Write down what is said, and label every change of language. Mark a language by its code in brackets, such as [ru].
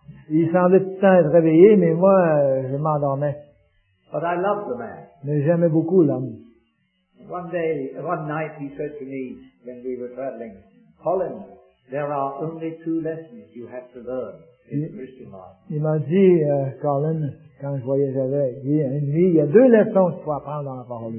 [fr] Il semblait tout le temps être réveillé, mais moi, je m'endormais. [en] But I loved the man. [fr] Mais j'aimais beaucoup l'homme. [en] One day, one night, he said to me, when we were traveling, Colin, there are only two lessons you have to learn in Christian life. [fr] Il m'a dit, Colin, quand je voyageais avec lui, une nuit, il y a deux leçons qu'il faut apprendre dans la parole de